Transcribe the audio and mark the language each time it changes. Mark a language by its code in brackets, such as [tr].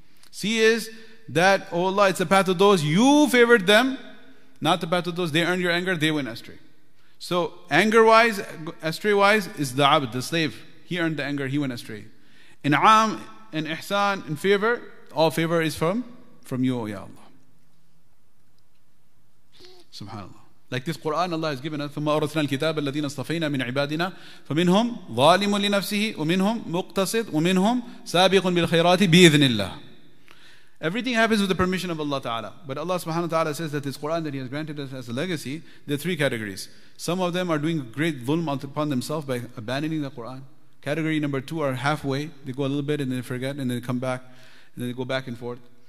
[en] C is that, O Allah, it's the path of those you favored them, not the path of those they earned your anger, they went astray. So anger-wise, astray-wise, is the abd, the slave. He earned the anger, he went astray. In'am and ihsan and favor, all favor is from you, O Ya Allah. Subhanallah. Like this Quran Allah has given us, [ar] ثُمَّ أَوْرَثْنَا الْكِتَابَ الَّذِينَ اصْطَفَيْنَا مِنْ عِبَادِنَا فَمِنْهُمْ ظَالِمٌ لِنَفْسِهِ وَمِنْهُمْ مُقْتَصِدٌ وَمِنْهُمْ سَابِقٌ بِالْخَيْرَاتِ بِإِذْنِ اللَّهِ. [en] Everything happens with the permission of Allah Ta'ala. But Allah Subhanahu wa Ta'ala says that this Quran that He has granted us as a legacy, there are three categories. Some of them are doing great dhulm upon themselves by abandoning the Quran. Category number two are halfway. They go a little bit and they forget and they come back and then they go back and forth.